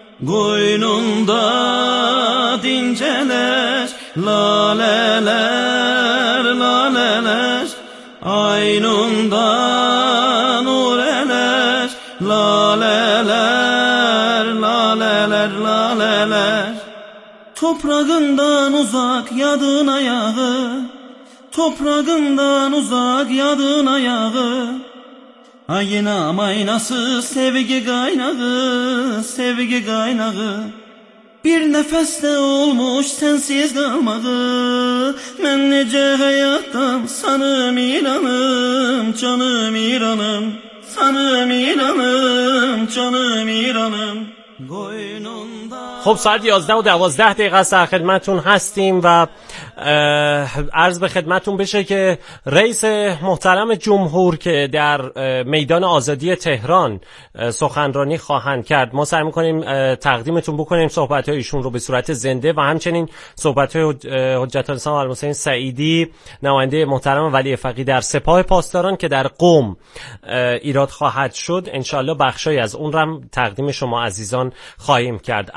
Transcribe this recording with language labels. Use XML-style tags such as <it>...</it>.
<az>Qoynunda dincələr lalələr, lalələr. Aynunda nurələr lalələr, lalələr, lalələr. Toprağından uzaq yadın ayağı, toprağından uzaq yadın ayağı. Ayna maynası sevgi kaynağı, sevgi kaynağı. Bir nefeste olmuş sensiz kalmağı, ben nece hayattan sanım, İranım, canım, İranım. Sanım, İranım, canım, İranım. Koynunda...</az> <fa>خب ساعت 11 و 12 دقیقه است، خدمتتون هستیم و عرض به خدمتتون بشه که رئیس محترم جمهور که در میدان آزادی تهران سخنرانی خواهند کرد، ما سعی می‌کنیم تقدیمتون بکنیم صحبت‌های ایشون رو به صورت زنده و همچنین صحبت‌های حجت الاسلام آل‌حسین سعیدی نماینده محترم ولی فقی در سپاه پاسداران که در قم ایراد خواهد شد، انشالله بخشی از اون رو تقدیم شما عزیزان خواهیم کرد.</fa>